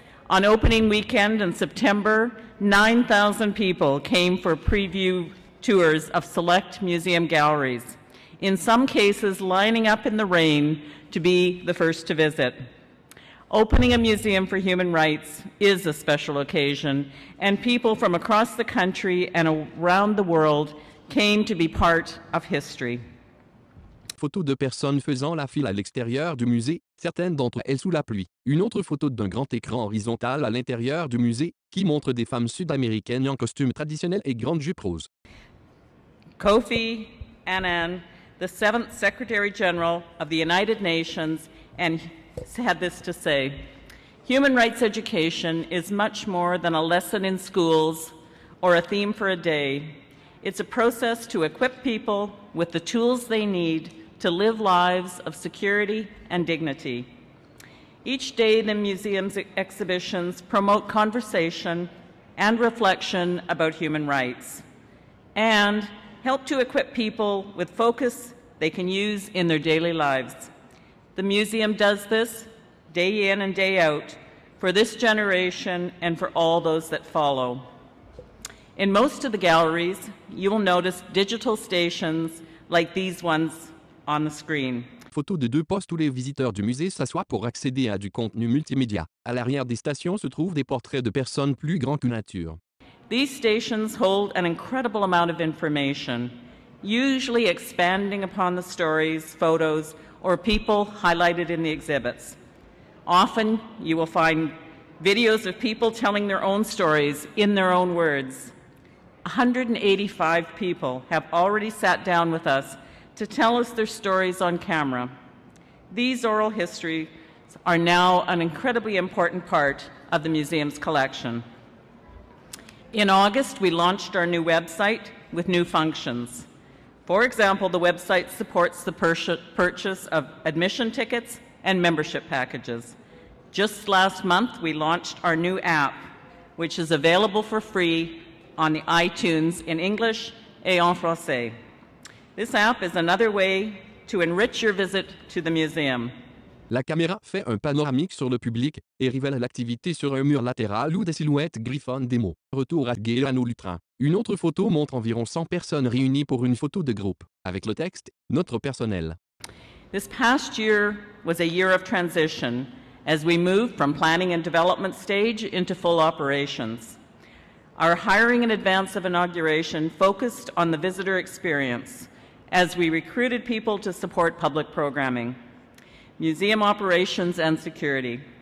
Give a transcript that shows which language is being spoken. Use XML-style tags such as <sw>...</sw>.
<en>On opening weekend in September, 9,000 people came for preview tours of select museum galleries, in some cases lining up in the rain to be the first to visit. Opening a museum for human rights is a special occasion, and people from across the country and around the world came to be part of history.</en> <fr>Photo de personnes faisant la file à l'extérieur du musée, certaines d'entre elles sous la pluie. Une autre photo d'un grand écran horizontal à l'intérieur du musée qui montre des femmes sud-américaines en costume traditionnel et grande jupe rose.</fr> <en>Kofi Annan, the 7th Secretary General of the United Nations, and had this to say: Human rights education is much more than a lesson in schools or a theme for a day. It's a process to equip people with the tools they need to live lives of security and dignity. Each day, the museum's exhibitions promote conversation and reflection about human rights and help to equip people with focus they can use in their daily lives. The museum does this day in and day out for this generation and for all those that follow. In most of the galleries, you will notice digital stations like these ones on the screen.</en> <fr>Photo de deux postes où les visiteurs du musée s'assoient pour accéder à du contenu multimédia. À l'arrière des stations se trouvent des portraits de personnes plus grands que nature.</fr> <en>These stations hold an incredible amount of information, usually expanding upon the stories, photos, or people highlighted in the exhibits. Often, you will find videos of people telling their own stories in their own words. 185 people have already sat down with us to tell us their stories on camera. These oral histories are now an incredibly important part of the museum's collection. In August, we launched our new website with new functions. For example, the website supports the purchase of admission tickets and membership packages. Just last month, we launched our new app, which is available for free on the iTunes in English</en> <fr>et en français.</fr> <en>This app is another way to enrich your visit to the museum.</en> <fr>La caméra fait un panoramique sur le public et révèle l'activité sur un mur latéral où des silhouettes griffonnent des mots. Retour à Gaëlano Lutrin. Une autre photo montre environ 100 personnes réunies pour une photo de groupe, avec le texte « Notre personnel ».</fr> <en>This past year was a year of transition as we moved from planning and development stage into full operations. Our hiring in advance of inauguration focused on the visitor experience as we recruited people to support public programming, museum operations and security.</en>